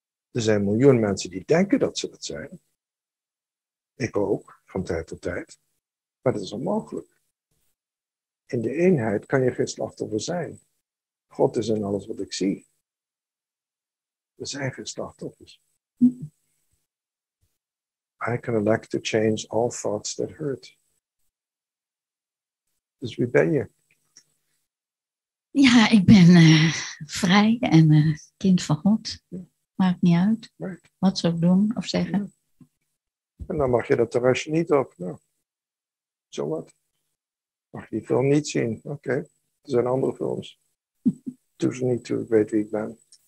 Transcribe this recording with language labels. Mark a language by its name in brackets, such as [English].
[Dutch] Er zijn miljoen mensen die denken dat ze dat zijn. Ik ook, van tijd tot tijd. Maar dat is onmogelijk. In de eenheid kan je geen slachtoffer zijn. God is in alles wat ik zie. Er zijn geen slachtoffers. [English] I can elect to change all thoughts that hurt. [Dutch] Dus wie ben je? Ja, ik ben vrij en kind van God. Ja. Maakt niet uit wat ze ook doen of zeggen. Ja. En dan mag je dat terrasje niet op. Nou, zo wat. Mag je die film niet zien? Oké, okay. Er zijn andere films. Doe ze niet toe, ik weet wie ik ben.